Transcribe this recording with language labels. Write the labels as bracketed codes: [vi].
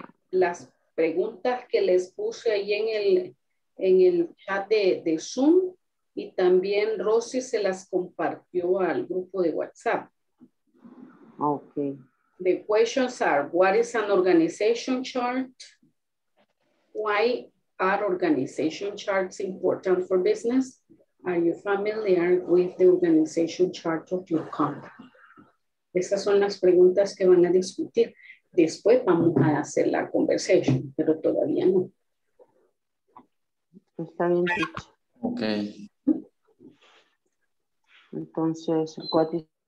[es] Las preguntas que les puse ahí en el chat de Zoom, y también Rosy se las compartió al grupo de WhatsApp. [en] Okay. The questions are, what is an organization chart? Why are organization charts important for business? Are you familiar with the organization chart of your company? [es] Esas son las preguntas que van a discutir. Después vamos a hacer la conversation, pero todavía no. Está bien dicho. Ok. Entonces, [en] what is...